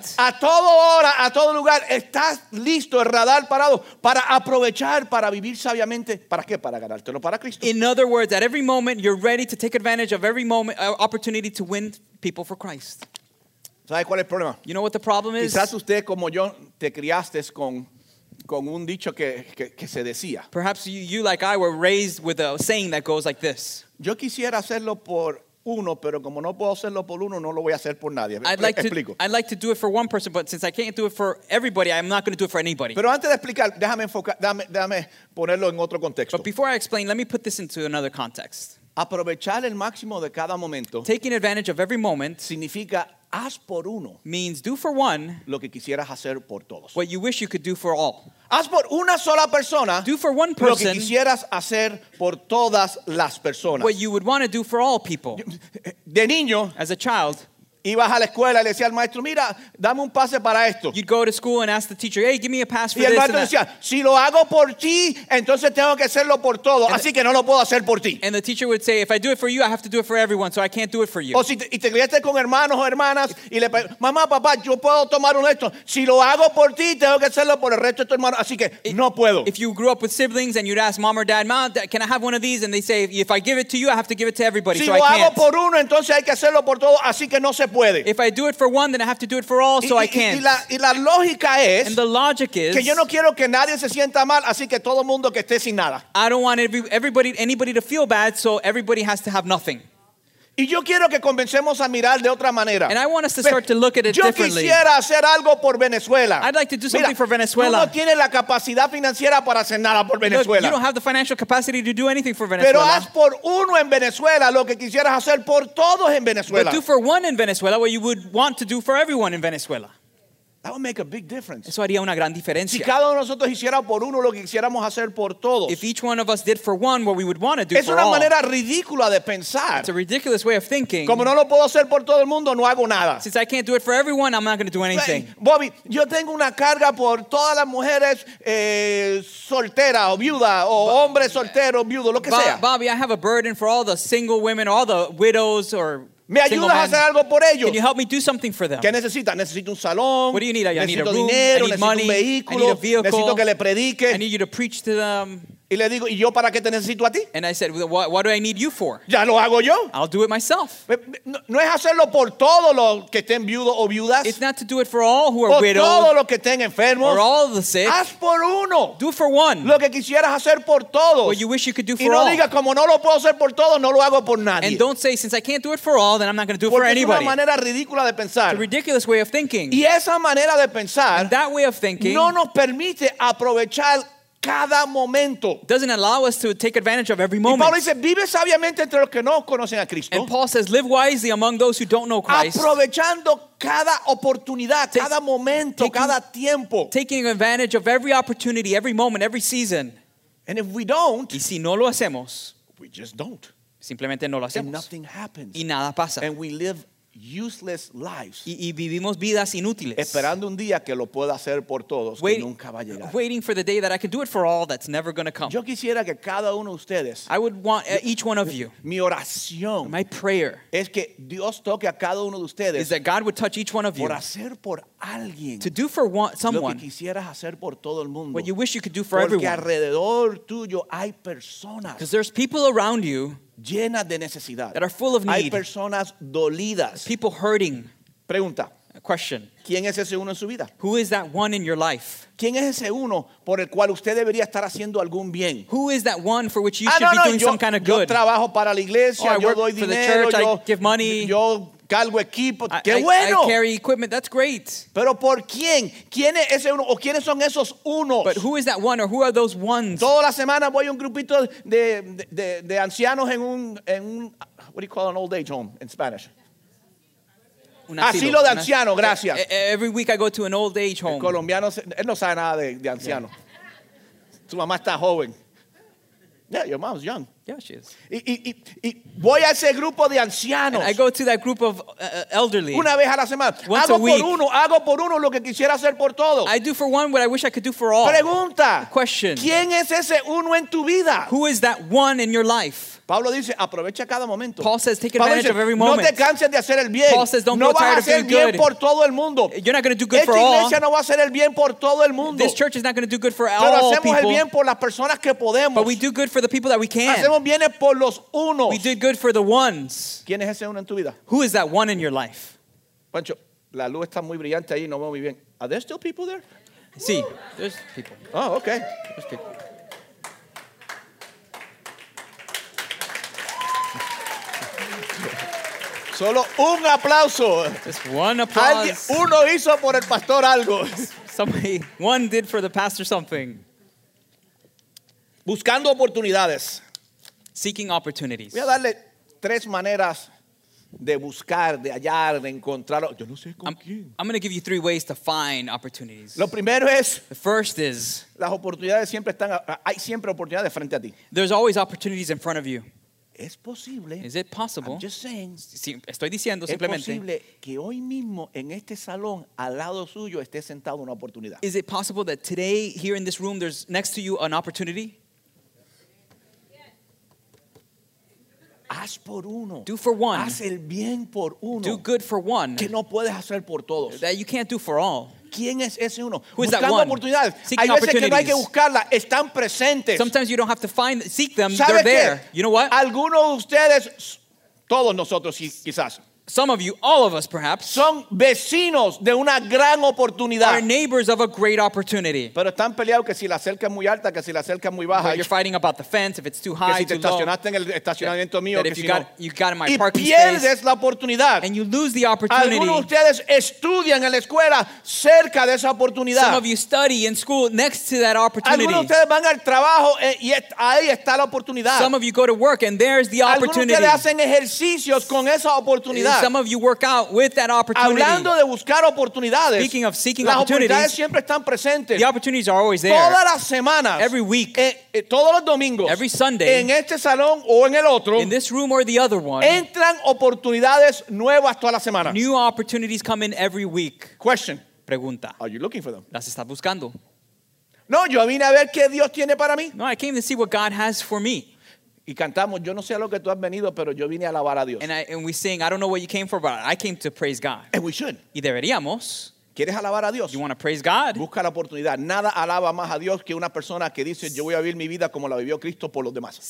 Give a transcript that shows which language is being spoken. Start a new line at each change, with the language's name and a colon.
Spanish: O sea, a toda hora, a todo lugar, estás listo, el radar parado para aprovechar, para vivir sabiamente. ¿Para qué? Para ganártelo para Cristo.
English: In other words, at every moment you're ready to take advantage of every moment opportunity to win people for Christ.
Spanish: ¿Sabes cuál es el problema?
English: You know what the problem is?
Spanish: Quizás usted como yo te criaste con un dicho que se decía.
English: Perhaps you like I were raised with a saying that goes like this.
Spanish: Yo quisiera hacerlo por uno, pero como no puedo hacerlo por uno, no lo voy a hacer por nadie.
English: I'd like to do it for one person, but since I can't do it for everybody, I'm not going to do it for anybody.
Spanish: Pero antes de explicar, déjame ponerlo en otro contexto.
English: But before I explain, let me put this into another context.
Spanish: Aprovechar el máximo de cada momento.
English: Taking advantage of every moment
Spanish: significa haz por uno
English: means do for one
Spanish: lo que quisieras hacer por todos.
English: What you wish you could do for all.
Spanish: Haz por una sola persona
English: do for one person
Spanish: lo que quisieras hacer por todas las personas.
English: What you would want to do for all people.
Spanish: De niño,
English: as a child,
Spanish: ibas a la escuela y le decía al maestro, mira, dame un pase para esto.
English: You'd go to school and ask the teacher, hey, give me a pass for this.
Spanish: Y el maestro decía, si lo hago por ti, entonces tengo que hacerlo por todo, así que no lo puedo hacer por ti.
English: And the teacher would say, if I do it for you, I have to do it for everyone, so I can't do it for you.
Spanish: O si te criaste con hermanos o hermanas y le mamá, papá, yo puedo tomar un esto. Si lo hago por ti, tengo que hacerlo por el resto de tu hermano, así que no puedo.
English: If you grew up with siblings and you'd ask mom or dad, mom, can I have one of these? And they say, if I give it to you, I have to give it to everybody,
Spanish: si
English: so I can't.
Spanish: Si lo hago por uno, entonces hay que hacerlo por todo, así que no se puede.
English: If I do it for one, then I have to do it for all, so I can't.
Spanish: Y la lógica es,
English: and the logic is,
Spanish: que yo no quiero que nadie se sienta mal, así que todo mundo que esté sin nada.
English: I don't want anybody to feel bad, so everybody has to have nothing.
Spanish: Y yo quiero que comencemos a mirar de otra manera.
English: And I want us to start to look at it differently.
Spanish: Yo quisiera hacer algo por Venezuela.
English: I'd like to do something for Venezuela.
Spanish: Tú no tienes la capacidad financiera para hacer nada por Venezuela.
English: You don't have the financial capacity to do anything for Venezuela.
Spanish: Pero haz por uno en Venezuela lo que quisieras hacer por todos en Venezuela.
English: But do for one in Venezuela what you would want to do for everyone in Venezuela. That would make a big difference.
Spanish: Eso haría una gran diferencia. Si cada uno de nosotros hiciera por uno lo que quisiéramos hacer por todos.
English: If each one of us did for one what we would want to do for all.
Spanish: Es una manera ridícula de pensar.
English: It's a ridiculous way of thinking.
Spanish: Como no lo puedo hacer por todo el mundo, no hago nada.
English: Since I can't do it for everyone, I'm not going to do anything.
Spanish: Bobby, yo tengo una carga por todas las mujeres solteras o viudas o hombres solteros, viudos, lo que sea.
English: Bobby, I have a burden for all the single women, all the widows or...
Spanish: ¿Me ayudas a hacer algo por ellos?
English: Can you help me do something for them?
Spanish: ¿Qué necesitas? Necesito un salón.
English: What do you need? I
Spanish: necesito
English: need a room.
Spanish: Dinero,
English: I need money.
Spanish: Necesito un vehículo.
English: I need a vehicle.
Spanish: Necesito que le predique.
English: I need you to preach to them.
Spanish: Y le digo, ¿y yo para qué te necesito a ti?
English: And I said, what do I need you for?
Spanish: Ya lo hago yo.
English: I'll do it myself.
Spanish: No es hacerlo por todos los que estén viudos o viudas.
English: It's not to do it for all who are widows.
Spanish: Por todos los que estén enfermos.
English: Or all the sick.
Spanish: Haz por uno.
English: Do for one.
Spanish: Lo que quisieras hacer por todos.
English: What you wish you could do for all.
Spanish: Y no digas, como no lo puedo hacer por todos, no lo hago por nadie.
English: And don't say, since I can't do it for all, then I'm not going to do it for anybody.
Spanish: Porque es una manera ridícula de pensar.
English: It's a ridiculous way of thinking.
Spanish: Y esa manera de pensar.
English: And that way of thinking.
Spanish: No nos permite aprovechar cada momento.
English: Doesn't allow us to take advantage of every moment.
Spanish: Y Pablo dice, vive sabiamente entre los que no conocen a Cristo.
English: And Paul says, live wisely among those who don't know Christ.
Spanish: Aprovechando cada oportunidad, cada momento, cada tiempo.
English: Taking advantage of every opportunity, every moment, every season. And if we don't,
Spanish: y si no lo hacemos,
English: we just don't.
Spanish: Simplemente no lo hacemos.
English: And nothing happens.
Spanish: Y nada pasa.
English: And we live useless lives.
Spanish: Y vivimos vidas inútiles. Esperando un día que lo pueda hacer por todos, que nunca va a llegar.
English: Waiting for the day that I can do it for all, that's never going to come.
Spanish: Yo quisiera que cada uno de ustedes.
English: I would want each one of you.
Spanish: Mi oración.
English: My prayer.
Spanish: Es que Dios toque a cada uno de ustedes.
English: Is that God would touch each one of you.
Spanish: Por hacer por alguien.
English: To do for someone.
Spanish: Lo que quisieras hacer por todo el mundo.
English: What you wish you could do for everyone.
Spanish: Porque alrededor tuyo hay personas.
English: Because there's people around you.
Spanish: Llenas de necesidad.
English: That are full of need.
Spanish: Hay personas dolidas.
English: People hurting.
Spanish: Pregunta.
English: A question.
Spanish: ¿Quién es ese uno en su vida?
English: Who is that one in your life?
Spanish: ¿Quién es ese uno por el cual usted debería estar haciendo algún bien?
English: Who is that one for which you should be doing some kind of good?
Spanish: Yo trabajo para la iglesia. Oh, yo doy dinero.
English: I work for the church. I give money.
Spanish: Yo cargo equipo. Qué
English: bueno. I carry equipment. That's great.
Spanish: Pero ¿por quién? ¿Quién es ese uno? ¿O quiénes son esos unos?
English: But who is that one or who are those ones?
Spanish: Toda la semana voy a un grupito de ancianos en un
English: what do you call an old age home in Spanish?
Spanish: Asilo de anciano, gracias.
English: Every week I go to an old age home.
Spanish: El colombiano, él no sabe nada de anciano. Su mamá está joven.
English: Yeah, your mom's young. Yeah, she is.
Spanish: Y voy a ese grupo de ancianos.
English: And I go to that group of elderly.
Spanish: Una vez a la semana.
English: Once
Spanish: hago
English: a week.
Spanish: Hago por uno lo que quisiera hacer por todos.
English: I do for one what I wish I could do for all.
Spanish: Pregunta.
English: Question.
Spanish: ¿Quién es ese uno en tu vida?
English: Who is that one in your life?
Spanish: Pablo dice, aprovecha cada momento.
English: Paul says, take advantage of every moment.
Spanish: No te canses de hacer el bien.
English: Paul says, don't grow tired of doing good.
Spanish: No vas a hacer bien por todo el mundo.
English: You're not going to do good for all.
Spanish: Esta iglesia no va a hacer el bien por todo el mundo.
English: This church is not going to do good for all
Spanish: people. Pero hacemos el bien por las personas que podemos.
English: But we do good for the people that we can.
Spanish: Hacemos bien por los unos.
English: We do good for the ones.
Spanish: ¿Quién es ese uno en tu vida?
English: Who is that one in your life?
Spanish: Pancho, la luz está muy brillante ahí, no veo muy bien.
English: Are there still people there? Sí, there's people. Oh, okay. There's people.
Spanish: Solo un aplauso.
English: Just one applause.
Spanish: Uno hizo por el pastor algo.
English: Somebody, one did for the pastor something.
Spanish: Buscando oportunidades.
English: Seeking opportunities.
Spanish: Voy a darle tres maneras de buscar, de hallar, de encontrar. Yo no sé con quién.
English: I'm going to give you three ways to find opportunities.
Spanish: Lo primero es.
English: The first is.
Spanish: Las oportunidades siempre están. Hay siempre oportunidades frente a ti.
English: There's always opportunities in front of you.
Spanish: Es posible.
English: Is it possible? I'm just saying.
Spanish: Sí, estoy diciendo simplemente. Es posible que hoy mismo en este salón al lado suyo esté sentado una oportunidad.
English: Is it possible that today here in this room there's next to you an opportunity?
Spanish: Haz por uno.
English: Do for one.
Spanish: Haz el bien por uno.
English: Do good for one.
Spanish: Que no puedes hacer por todos.
English: That you can't do for all.
Spanish: ¿Quién es ese uno?
English: Who is
Spanish: buscando
English: that
Spanish: oportunidades.
English: Seeking
Spanish: hay veces que no hay que buscarlas. Están presentes.
English: Sometimes you don't have to find, seek them. They're there. You know what?
Spanish: Algunos de ustedes, todos nosotros quizás.
English: some of you, all of us perhaps,
Spanish: son vecinos de una gran oportunidad.
English: Are neighbors of a great opportunity.
Spanish: Pero están peleados que si la cerca es muy alta, que si la cerca es muy baja.
English: But you're fighting about the fence, if it's too high,
Spanish: que si te estacionaste en el estacionamiento mío,
English: that if
Spanish: que
English: you, got,
Spanish: no,
English: you got in my
Spanish: y
English: parking
Spanish: pierdes
English: space,
Spanish: la oportunidad.
English: And you lose the opportunity.
Spanish: Algunos de ustedes estudian en la escuela cerca de esa oportunidad.
English: Some of you study in school next to that opportunity.
Spanish: Algunos de ustedes van al trabajo y ahí está la oportunidad.
English: Some of you go to work and there's the opportunity.
Spanish: Algunos de ustedes hacen ejercicios con esa oportunidad.
English: Some of you work out with that opportunity.
Spanish: Hablando de buscar oportunidades,
English: speaking of seeking opportunities,
Spanish: siempre están presentes.
English: The opportunities are always there.
Spanish: Todas las semanas,
English: every week,
Spanish: todos los domingos,
English: every Sunday,
Spanish: en este salón o en el otro,
English: in this room or the other one,
Spanish: entran oportunidades nuevas toda la semana.
English: New opportunities come in every week. Question.
Spanish: Pregunta.
English: Are you looking for them?
Spanish: ¿Las estás buscando? No, yo vine a ver qué Dios tiene para mí.
English: No, I came to see what God has for me.
Spanish: Y cantamos, yo no sé a lo que tú has venido, pero yo vine a alabar a Dios.
English: And we sing, I don't know what you came for, but I came to praise God. And we should.
Spanish: Y deberíamos. ¿Quieres alabar a Dios?
English: You want to praise God?
Spanish: Busca la oportunidad. Nada alaba más a Dios que una persona que dice, yo voy a vivir mi vida como la vivió Cristo por los demás.